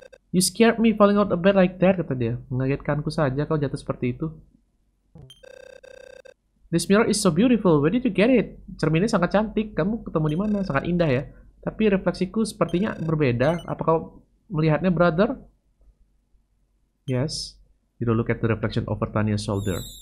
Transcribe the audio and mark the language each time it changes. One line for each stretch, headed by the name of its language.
English: You scared me falling out of bed like that,
Indonesian: kata dia. Mengagetkanku saja kalau jatuh seperti itu.
English: This mirror is so beautiful. Where did you get it?
Indonesian: Cerminnya sangat cantik. Kamu ketemu di mana? Sangat indah ya. Tapi refleksiku sepertinya berbeda. Apa kau melihatnya, brother?
English: Yes. You don't look at the reflection over Tanya's shoulder.